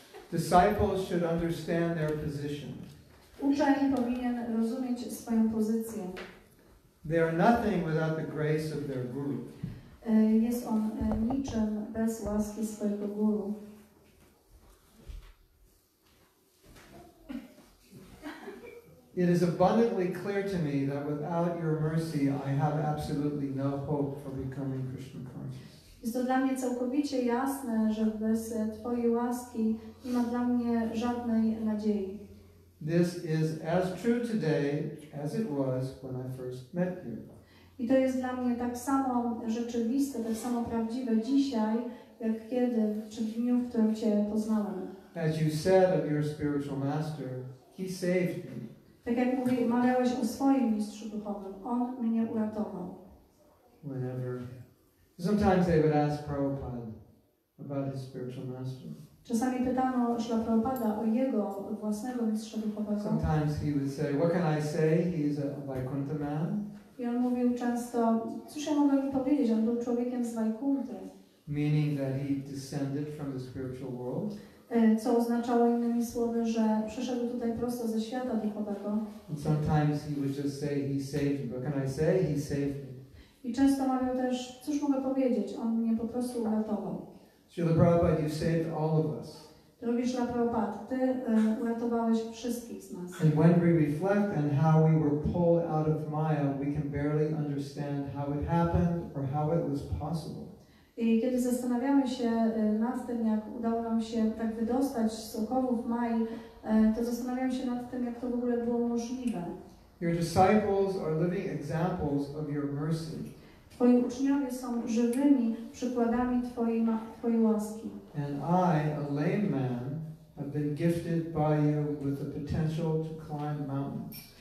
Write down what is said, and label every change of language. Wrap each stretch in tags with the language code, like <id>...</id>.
<en>Disciples should understand their position.</en> <pl>Uczeni powinien rozumieć swoją pozycję.</pl> <en>They are nothing without the grace of their guru.</en> <pl>Jest on niczym bez łaski swojego guru.</pl> <en>It is abundantly clear to me that without your mercy, I have absolutely no hope for becoming Krishna conscious.</en> <pl>Jest to dla mnie całkowicie jasne, że bez Twojej łaski nie ma dla mnie żadnej nadziei.</pl> <en>This is as true today as it was when I first met you.</en> <pl>I to jest dla mnie tak samo rzeczywiste, tak samo prawdziwe dzisiaj, jak kiedy, czy w dniu, w którym Cię poznałem.</pl> <en>As you said of your spiritual master, he saved me.</en> <pl>Tak jak mówiłeś o swoim mistrzu duchowym, on mnie uratował.</pl> <en>Whenever. Sometimes they would ask Prabhupada about his spiritual master.</en> <pl>Czasami pytano Śrila Prabhupada o jego własnego mistrza duchowego.</pl> <en>Sometimes he would say, "What can I say? He's a Vaikuntha man."</en> <pl>I on mówił często, cóż ja mogę mu powiedzieć? On był człowiekiem z Vaikunthy.</pl> <en>Meaning that he descended from the spiritual world.</en> <pl>Co oznaczało innymi słowy, że przyszedł tutaj prosto ze świata duchowego.</pl> <en>And sometimes he would just say, "He saved me." What can I say? He saved me.</en> <pl>I często mówił też, cóż mogę powiedzieć, on mnie po prostu uratował.</pl> <en>Śrila Prabhupada, you saved all of us.</en> <pl>Drogi Śrila Prabhupada, Ty uratowałeś wszystkich z nas.</pl> <en>And when we reflect on how we were pulled out of Maya, we can barely understand how it happened or how it was possible.</en> <pl>I kiedy zastanawiamy się nad tym, jak udało nam się tak wydostać z okowów Mai, to zastanawiamy się nad tym, jak to w ogóle było możliwe.</pl> <en>Your disciples are living examples of your mercy.</en> <pl>Twoi uczniowie są żywymi przykładami twojej łaski.</pl> <en>And I, a lame man, have been gifted by you with the potential to climb mountains.</en>